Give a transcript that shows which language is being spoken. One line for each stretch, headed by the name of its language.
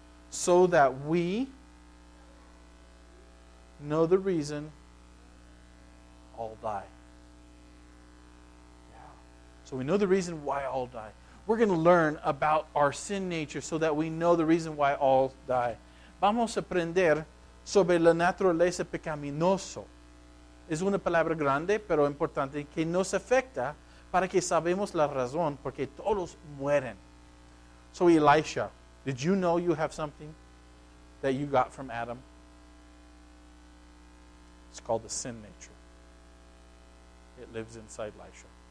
English: So that we know the reason all die. Yeah. So we know the reason why all die. We're going to learn about our sin nature so that we know the reason why all die.
Spanish: Vamos a aprender sobre la naturaleza pecaminosa. Es una palabra grande, pero importante, que nos afecta para que sabemos la razón porque todos mueren.
English: So, Elisha, did you know you have something that you got from Adam? It's called the sin nature. It lives inside Elisha.